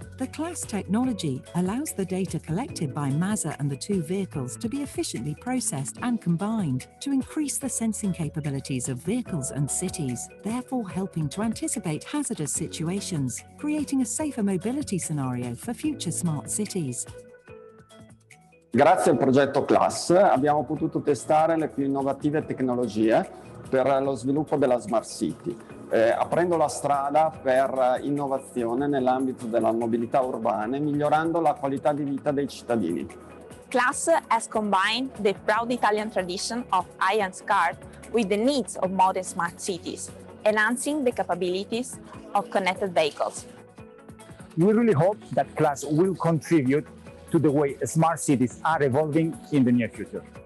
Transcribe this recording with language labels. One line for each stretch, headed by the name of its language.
English: The CLASS technology allows the data collected by MASA and the two vehicles to be efficiently processed and combined to increase the sensing capabilities of vehicles and cities, therefore helping to anticipate hazardous situations, creating a safer mobility scenario for future smart cities.
Italian: Grazie al progetto CLASS abbiamo potuto testare le più innovative tecnologie per lo sviluppo della Smart City, aprendo la strada per innovazione nell'ambito della mobilità urbana e migliorando la qualità di vita dei cittadini.
English: CLASS has combined the proud Italian tradition of high-end cars with the needs of modern smart cities, enhancing the capabilities of connected vehicles. We really hope that CLASS will contribute to the way smart cities are evolving in the near future.